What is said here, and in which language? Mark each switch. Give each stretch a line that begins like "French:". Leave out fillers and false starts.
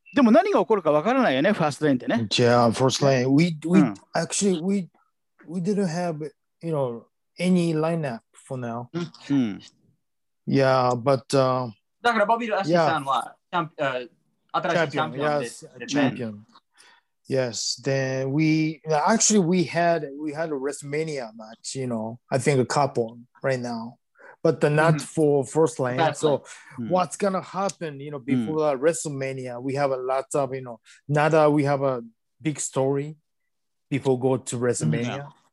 Japanese: でも何が起こるかわからないよね、ファーストレーンってね。
English: Yeah, first lane. We didn't have, you know, any lineup for now. Yeah, but...
Japanese: だからボビー・ラッシュさんは、新しいチャンピオンで。
English: Yes, champion. Yes, then we had a WrestleMania match, you know, I think a couple right now. But the not for first lane. So what's going to happen, you know, before that WrestleMania, we have a lot of, you know, now that we have a big story before go to WrestleMania.